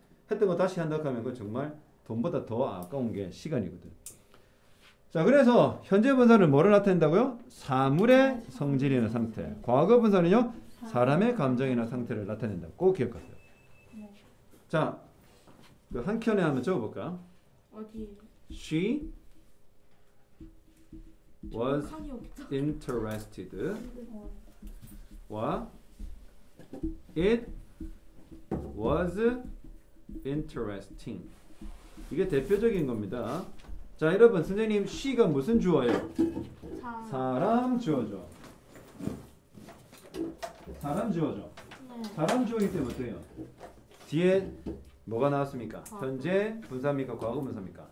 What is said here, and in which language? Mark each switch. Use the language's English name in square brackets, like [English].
[Korean] 했던 거 다시 한다고 하면 그거 정말 돈보다 더 아까운 게 시간이거든. 자, 그래서 현재 분사는 뭐를 나타낸다고요? 사물의 성질이나 상태. 과거 분사는요? 사람의 감정이나 상태를 나타낸다. 꼭 기억하세요. 자, 그 한 켠에 한번 적어볼까? 어디? [English] She was interested 와 It was interesting. [Korean] 이게 대표적인 겁니다. 자, 여러분, 선생님, she가 무슨 주어예요? 사람 주어죠. 사람 주어죠. 네. 사람 주어이기 때문에 어때요? 뒤에 뭐가 나왔습니까? 과거. 현재 분사입니까? 과거 분사입니까?